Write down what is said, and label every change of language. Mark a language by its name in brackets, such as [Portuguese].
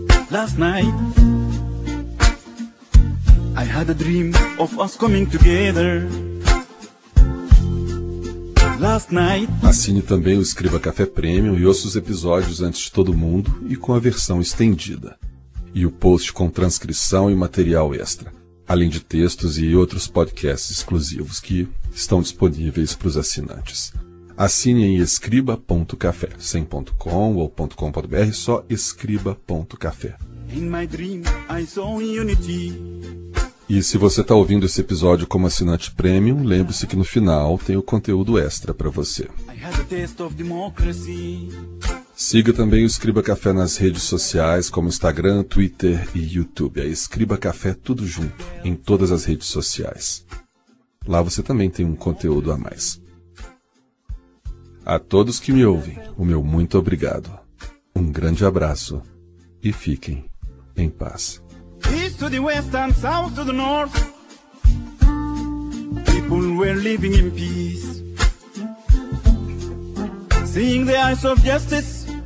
[English] Last night I had a dream of us coming together. last night. [Portuguese] Assine também o Escriba Café Premium e ouça os episódios antes de todo mundo e com a versão estendida. E o post com transcrição e material extra, além de textos e outros podcasts exclusivos que estão disponíveis para os assinantes. Assine em escriba.café, sem ponto com ou ponto com.br, só escriba.café. [English] In my dream, I saw unity. [Portuguese] E se você está ouvindo esse episódio como assinante premium, lembre-se que no final tem o conteúdo extra para você. [English] I had a taste of democracy. [Portuguese] Siga também o Escriba Café nas redes sociais, como Instagram, Twitter e YouTube. É Escriba Café tudo junto, em todas as redes sociais. Lá você também tem um conteúdo a mais. A todos que me ouvem, o meu muito obrigado. Um grande abraço e fiquem em paz. [English] East to the west and south to the north. People were living in peace. Seeing the eyes of justice.